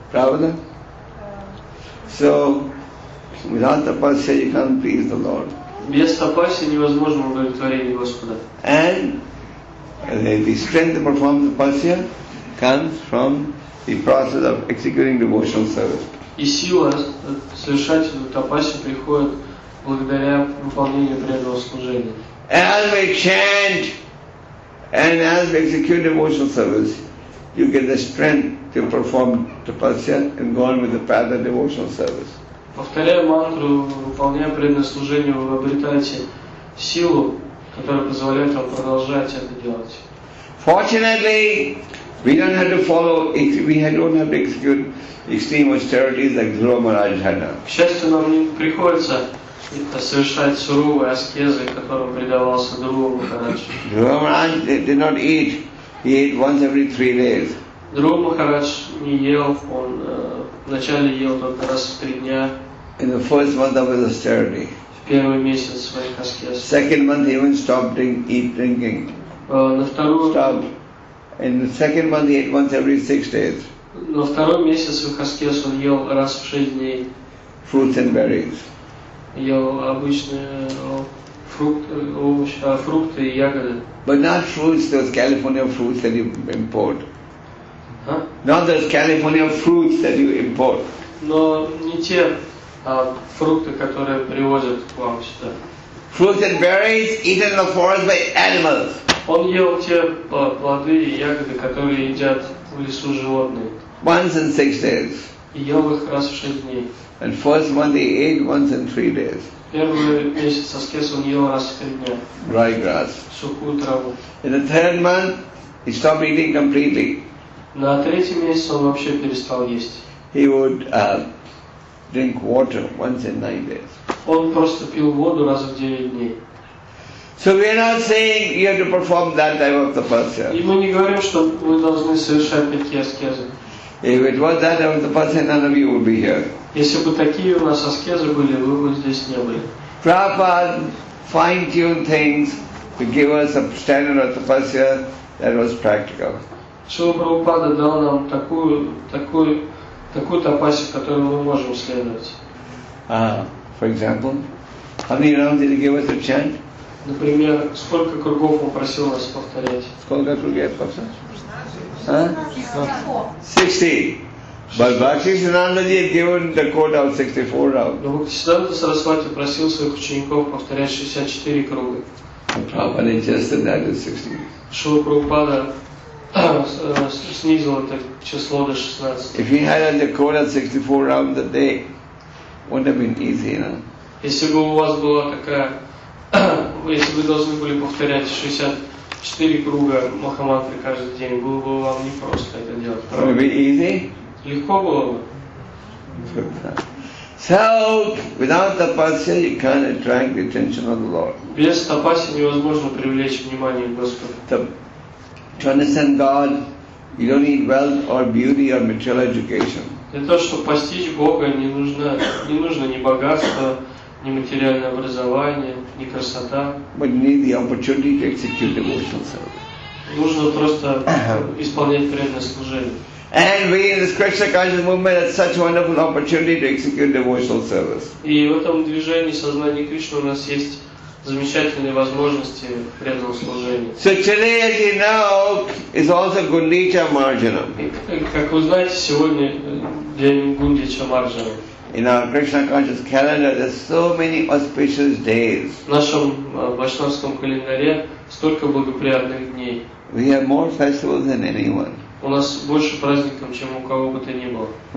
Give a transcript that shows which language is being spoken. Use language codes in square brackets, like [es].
[ru] Правда? [en] So, without tapasya, you can't please the Lord. [ru] Без тапасии невозможно удовлетворение Господа. [en] And the strength to perform tapasya comes from the process of executing devotional service. [ru] И сила совершать эту тапасию приходит благодаря выполнению преданного служения. [en] As we chant and as we execute devotional service, you get the strength to perform tapasya and go on with the path of devotional service. [ru] Повторяя мантру, выполняя преданное служение, вы обретаете силу, которая позволяет вам продолжать это делать. [en] Fortunately, we don't have to follow, we don't have to execute extreme austerities like Dhruva Maharaj had. [ru] К счастью, нам не приходится совершать суровые аскезы, которым предавался Дхрува Махарадж. [en] Dhruva Maharaj did not eat. He ate once every 3 days. [ru] Dhruva Maharaj не ел, он вначале ел только раз в 3 дня. [en] In the first month of his austerity. Second month he even stopped drinking. In the second month he ate once every 6 days. [ru] Но второй месяц в аскез он ел раз в 6 дней. [en] Fruits and berries. [ru] Ел обычные фрукты и ягоды. [en] But not fruits, those California fruits that you import. Not those California fruits that you import. [ru] Но не те фрукты, которые привозят к вам сюда. [en] Fruits and berries eaten in the forest by animals. [ru] Он ел те плоды и ягоды, которые едят в лесу животные. [en] Once in 6 days. [ru] Ел их раз в 6 дней. [en] And first month he ate once in 3 days. [ru] Первый месяц аскез он ел раз в 3 дня. [en] Dry grass. [ru] Сухую траву. [en] In the third month he stopped eating completely. [ru] На третий месяц он вообще перестал есть. [en] He would drink water once in 9 days. [ru] Он просто пил воду раз в 9 дней. [en] So we are not saying you have to perform that type of tapasya. [ru] И мы не говорим, что вы должны совершать такие аскезы. [en] If it was that type of tapasya, none of you would be here. [ru] Если бы такие у нас аскезы были, вы бы здесь не были. [en] Prabhupada fine-tuned things to give us a standard of tapasya that was practical. [ru] Шрила Прабхупада дал нам такую тапасию, которую мы можем следовать. [en] For example, how many rounds did he give us to chant? [ru] Например, сколько кругов он просил нас повторять? Сколько кругов? 16. 16. [en] But Bhakti Sananda ji had given the code of 64 rounds. Prabhupada adjusted that to 16. If he had the code of 64 rounds a day, wouldn't have been easy, you know. [ru] Если бы у вас была такая, если бы должны были повторять 64 круга Махамантры каждый день, было бы вам непросто это делать. [en] Would it be easy? [ru] Легко было бы. [en] So, without tapasya, you can't attract the attention of the Lord. [ru] Без тапаси невозможно привлечь внимание Господа. [en] To understand God, you don't need wealth or beauty or material education. [ru] Для того, чтобы постичь Бога, не нужно ни богатство, ни материальное образование, ни красота. [en] But you need the opportunity to execute devotional service. [ru] Нужно просто исполнять преданное служение. [en] And we in this Krishna conscious movement had such a wonderful opportunity to execute devotional service. [ru] И в этом движении сознания Кришны у нас есть замечательные возможности преданного служения. [en] So today, as you know, is also Gundicha Marjanam. [ru] Как вы знаете, сегодня день Гундича Марджана. [en] In our Krishna conscious calendar, there's so many auspicious days. [ru] В нашем вайшнавском календаре столько благоприятных дней. [en] We have more festivals than anyone. [ru] У нас больше праздников, чем у кого бы то ни было.